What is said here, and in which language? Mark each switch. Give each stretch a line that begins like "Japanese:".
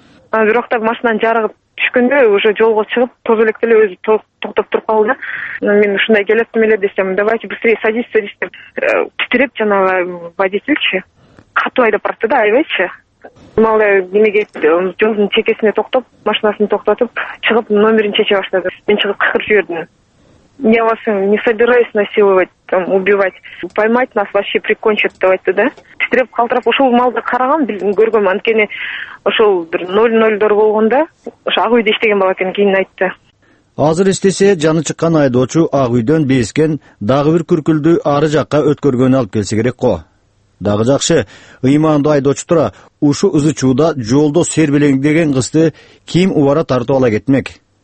Kyrgyz: Анан бирок да машинанын жарыгы түшкөндө уже жолго чыгып тозо электе эле өзү токтоп туруп калды да. Анан мен ушундай келеттим эле десем,
Russian: давайте быстрее садись
Kyrgyz: деп титиреп жанагы водительчи катуу айдап баратты да, аябайчы. Мага эмеге жолдун чекесине токтоп машинасын токтотуп чыгып номерин чече баштады. Мен чыгып кыскырып жибердим.
Russian: Я вас не собираюсь насиловать, там, убивать. Поймать нас вообще прикончат, давайте, да?
Kyrgyz: Титиреп калтырап ошол малды караган көргөм, анткени ошол бир 00:00 болгондо ошо ак үйдө иштеген бала экен, кийин айтты. Азыр эстесе жаны чыккан айдоочу ак үйдөн бийискен дагы бир күркүлдү ары жакка өткөргөнү алып келсе керек го. Дагы жакшы, ыймандуу айдоочу тура ушу ызычууда жолдо сербелең деген кызды ким убара тартып ала кетмек?